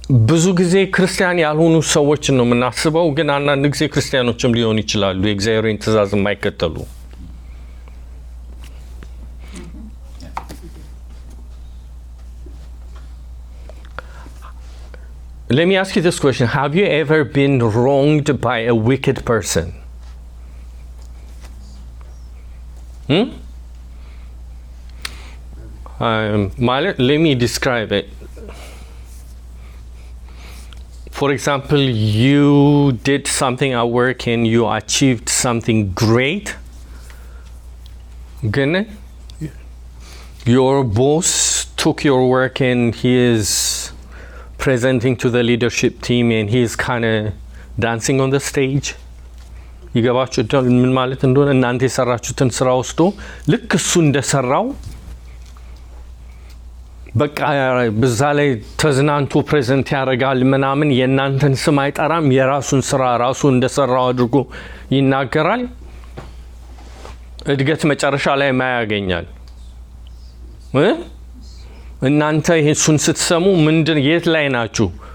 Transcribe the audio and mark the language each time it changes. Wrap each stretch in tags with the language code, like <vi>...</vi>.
<am>ብዙ ጊዜ ክርስቲያን ያልሆኑ ሰዎችን ነው የምናስበው፣ ግን አንዳንድ ጊዜ ክርስቲያኖችም ሊሆኑ ይችላሉ የእግዚአብሔርን ትእዛዝ የማይከተሉ።</am> <en>Let me ask you this question. Have you ever been wronged by a wicked person? Let me describe it. For example, you did something at work and you achieved something great. Your boss took your work and he is presenting to the leadership team and he's kind of dancing on the stage.</en> <am>ይገባችሁታል ምን ማለት እንደሆነ? እናንተ የሰራችሁትን ስራ ወስዶ ልክ እሱ እንደሰራው በቃ በዛ ላይ ተዝናንቶ ፕሬዘንት ያረጋል ምናምን፣ የእናንተን ስም አይጠራም፣ የራሱን ስራ ራሱ እንደሰራው አድርጎ ይናገራል። እድገት መጨረሻ ላይ ማያገኛል። እናንተ ይሄን ስትሰሙ ምንድን የት ላይ ናችሁ?</am>